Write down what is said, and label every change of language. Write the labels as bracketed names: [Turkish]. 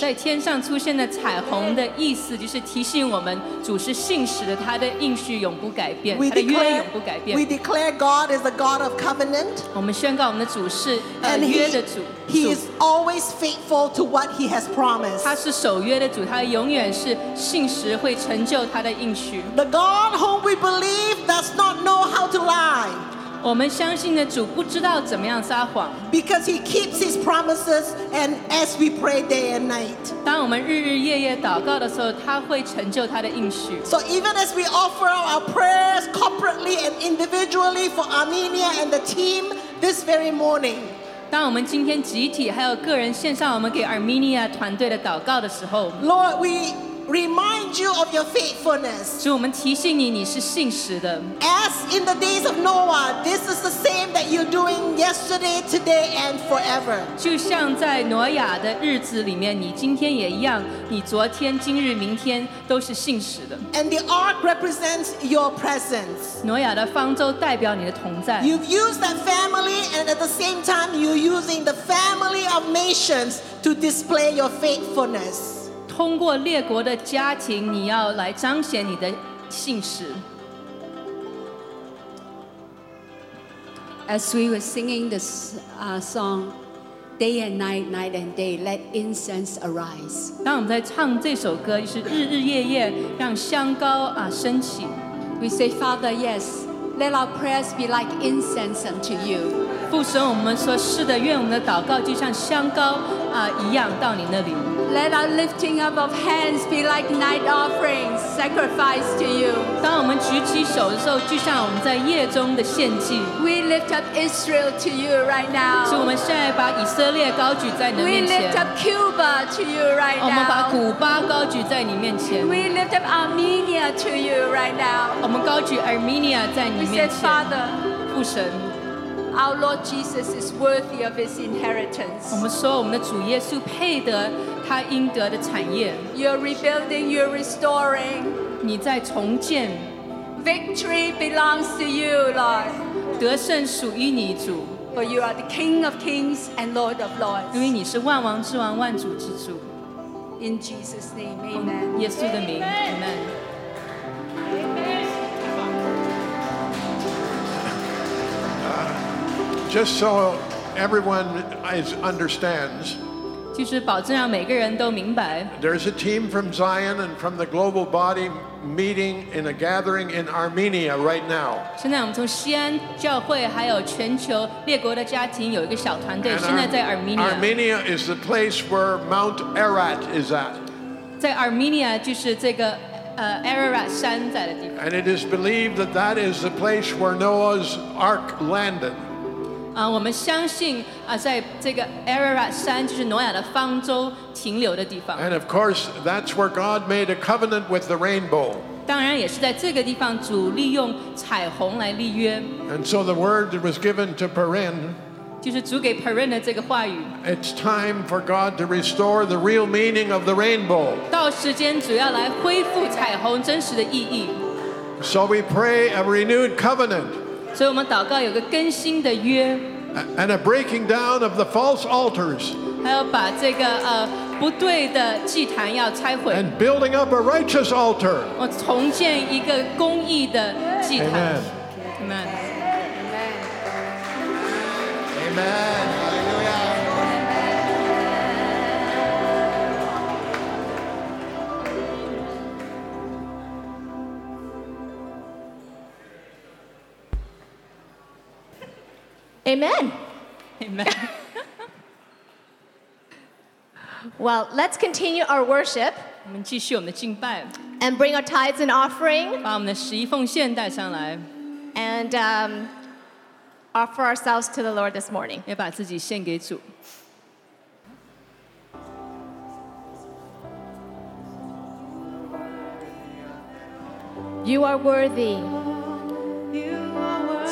[Chinese] 在天上出现的彩虹的意思就是提醒我们，主是信实的，他的应许永不改变，他的约永不改变。 [English] We declare God is a God of covenant. [Chinese] 我们宣告我们的主是约的主。 [English] He is always faithful to what He has promised. [Chinese] 他是守约的主，他永远是信实，会成就他的应许。 [English] The God whom we believe does not know how to lie. [Chinese] 我们相信的主不知道怎么样撒谎。 [English] Because He keeps His promises, and as we pray day and night. [Chinese] 当我们日日夜夜祷告的时候，他会成就他的应许。 [English] So even as we offer our prayers corporately and individually for Armenia and the team this very morning. [Chinese] 当我们今天集体还有个人献上我们给 Armenia 团队的祷告的时候 [English] ，Lord, we. Remind you of your faithfulness. [Chinese] 主，我们提醒你，你是信实的。 [English] As in the days of Noah, this is the same that you're doing yesterday, today, and forever. [Chinese] 就像在挪亚的日子里面，你今天也一样，你昨天、今日、明天都是信实的。 [English] And the ark represents your presence. [Chinese] 挪亚的方舟代表你的同在。 [English] You've used that family, and at the same time, you're using the family of nations to display your faithfulness. [Chinese] 通过列国的家庭，你要来彰显你的信实。 [English] As we were singing this song, day and night, night and day, let incense arise. [Chinese] 当我们在唱这首歌，就是日日夜夜，让香膏升起。 [English] We say, Father, yes, let our prayers be like incense unto you. [Chinese] 父神，我们说是的，愿我们的祷告就像香膏一样到你那里。 [English] Let our lifting up of hands be like night offerings, sacrifice to you. [Chinese] 当我们举起手的时候，就像我们在夜中的献祭。 [English] We lift up Israel to you right now. [Chinese] 主，我们现在把以色列高举在你面前。 [English] We lift up Cuba to you right now. [Chinese] 我们把古巴高举在你面前。 [English] We lift up Armenia to you right now. [Chinese] 我们高举 Armenia 在你面前。 [English] We say, Father, [Chinese] 父神。 [English] Our Lord Jesus is worthy of His inheritance. [Chinese] 我们说我们的主耶稣配得他应得的产业。 [English] You're rebuilding, you're restoring. [Chinese] 你在重建。 [English] Victory belongs to you, Lord. [Chinese] 得胜属于你主。 [English] For you are the King of Kings and Lord of Lords. [Chinese] 因为你是万王之王，万主之主。 [English] In Jesus' name, Amen. [Chinese] 耶稣的名 ，Amen. [English] Amen. Just so everyone understands, [Chinese] 就是保证让每个人都明白 [English] there's a team from Zion and from the global body meeting in a gathering in Armenia right now. [Chinese] 现在我们从西安教会还有全球列国的家庭有一个小团队现在在 Armenia. [English] Armenia is the place where Mount Ararat is at. [Chinese] 在 Armenia 就是这个Ararat 山在的地方 [English] And it is believed that that is the place where Noah's ark landed. [Chinese] 我们相信在这个 Ararat 山就是挪亚的方舟停留的地方 [English] And of course that's where God made a covenant with the rainbow [Chinese] 当然也是在这个地方主利用彩虹来立约 [English] And so the word that was given to Perin [Chinese] 就是主给 Perin 的这个话语 [English] It's time for God to restore the real meaning of the rainbow [Chinese] 到时间主要来恢复彩虹真实的意义 [English] So we pray a renewed covenant [Chinese] 所以我们祷告有个更新的约 [English] and a breaking down of the false altars [Chinese] 还要把这个不对的祭坛要拆毁 [English] and building up a righteous altar [Chinese] 我重建一个公义的祭坛 [English] Amen Amen Amen Hallelujah Amen. Amen. Well, let's continue our worship. [Chinese] 我们继续我们的敬拜 [English] And bring our tithes and offering. [Chinese] 把我们的十一奉献带上来 [English] And offer ourselves to the Lord this morning. [Chinese] 也把自己献给主 [English] You are worthy. You are worthy.